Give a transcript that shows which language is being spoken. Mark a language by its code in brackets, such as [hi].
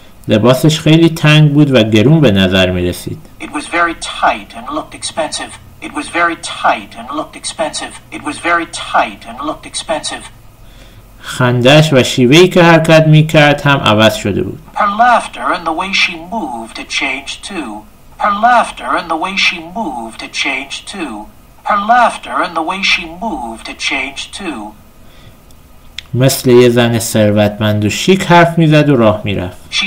[fa] لباسش خیلی تنگ بود و گرون به نظر می رسید. [en] It was very tight and looked expensive. [fa] خندش و شیوهی که حرکت می کرد هم عوض شده بود. [en] Her laughter and the way she moved had changed too. [fa] مثل یه زن ثروتمند و شیک حرف می‌زد و راه می‌رفت.